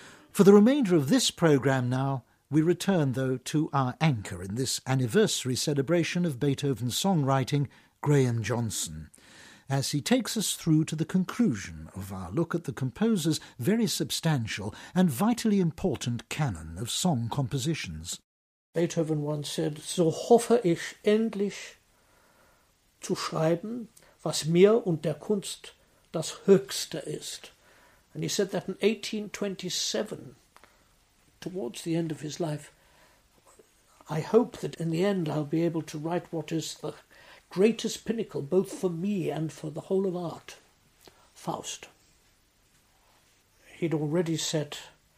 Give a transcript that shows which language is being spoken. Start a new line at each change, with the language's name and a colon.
English: For the remainder of this programme now, we return, though, to our anchor in this anniversary celebration of Beethoven's songwriting, Graham Johnson, as he takes us through to the conclusion of our look at the composer's very substantial and vitally important canon of song compositions. Beethoven once said,
German: "So hoffe ich endlich zu schreiben, was mir und der Kunst das höchste ist."
English: And he said that in 1827, towards the end of his life, "I hope that in the end I'll be able to write what is the greatest pinnacle, both for me and for the whole of art, Faust." He'd already set